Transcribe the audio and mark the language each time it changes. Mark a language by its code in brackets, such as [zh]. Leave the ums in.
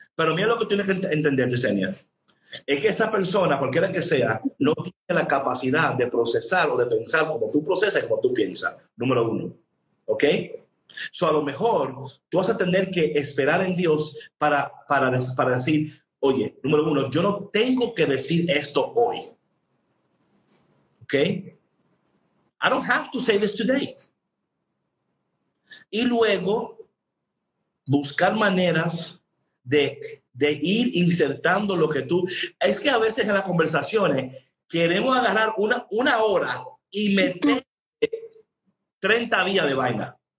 [es] Pero mira lo que tienes que entender, Yesenia. Es que esa persona, cualquiera que sea, no tiene la capacidad de procesar o de pensar como tú procesas y como tú piensas. Número uno. ¿Ok? So, a lo mejor tú vas a tener que esperar en Dios para, para, para decir, oye, número uno, yo no tengo que decir esto hoy. ¿Ok? [en] I don't have to say this today. [es] Y luego, buscar maneras de, de, ir insertando lo que tú... Es que a veces en las conversaciones queremos agarrar una, una hora y meter 30 días de vaina.